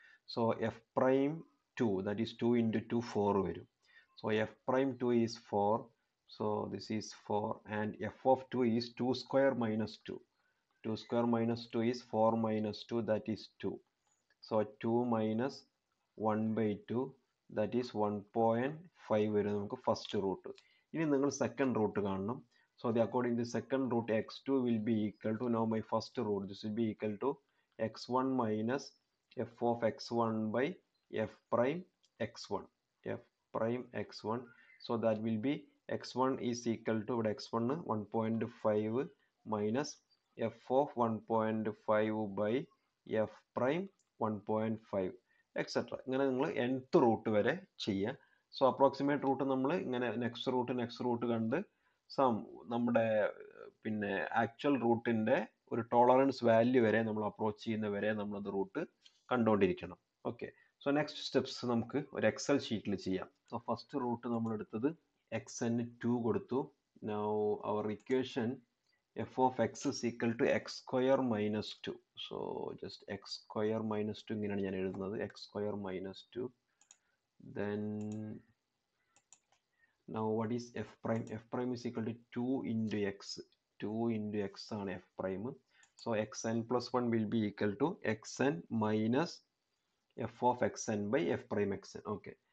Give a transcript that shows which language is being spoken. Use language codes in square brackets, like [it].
[en] So f prime 2, that is 2 into 2, 4 value. So f prime 2 is 4, so this is 4, and f of 2 is 2 square minus 2. 2 square minus 2 is 4 minus 2, that is 2. So 2 minus 1 by 2, That is [ml] 1.5 വരെ നമുക്ക് first root. ഇനി നിങ്ങൾ second root കാണണം. [en] So the according to the second root x2 will be equal to, now my first root, this will be equal to x1 minus f of x1 by f prime x1, f prime x1. So that will be x1 is equal to, but x1 1.5 minus f of 1.5 by f prime 1.5, etc. [ml] ഇങ്ങനെ നിങ്ങൾ nth root വരെ ചെയ്യുക. So approximate root നമ്മൾ ഇങ്ങനെ next root കണ്ട് some നമ്മുടെ പിന്നെ actual റൂട്ടിൻ്റെ ഒരു ടോളറൻസ് വാല്യൂ വരെ നമ്മൾ അപ്രോച്ച് ചെയ്യുന്ന വരെ നമ്മളത് root കണ്ടുകൊണ്ടിരിക്കണം. Okay, so next steps നമുക്ക് ഒരു എക്സൽ ഷീറ്റിൽ ചെയ്യാം. So first root നമ്മളെടുത്തത് X N two കൊടുത്തു. [en] Now our equation f of x is equal to x square minus two. So just x square minus two [ml] ഇങ്ങനെയാണ് ഞാൻ എഴുതുന്നത്, [en] X square minus two. Then Now what is f prime? F prime is equal to 2 into x. 2 into x on f prime. So xn plus 1 will be equal to xn minus f of xn by f prime xn. Okay.